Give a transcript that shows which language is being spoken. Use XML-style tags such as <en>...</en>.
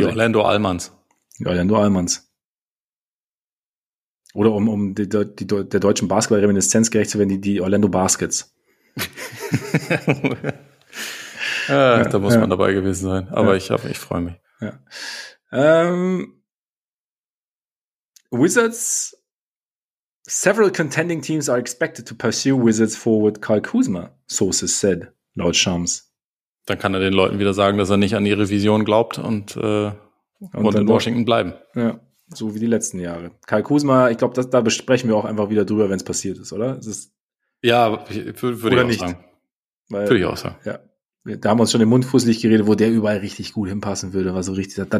<de>Die Orlando Allmanns. Oder um der deutschen Basketball-Reminiszenz gerecht zu werden, die Orlando Baskets. da muss man dabei gewesen sein. Aber ich freue mich. Ja.</de> <en>Wizards, several contending teams are expected to pursue Wizards forward Kyle Kuzma, sources said,</en> <de>laut Shams. Dann kann er den Leuten wieder sagen, dass er nicht an ihre Vision glaubt und in Washington bleiben. Ja, so wie die letzten Jahre. Kyle Kuzma, ich glaube, da besprechen wir auch einfach wieder drüber, wenn es passiert ist, oder? Würde ich auch sagen. Ja, wir haben uns schon im Mund fusselig geredet, wo der überall richtig gut hinpassen würde, war so richtig.</de>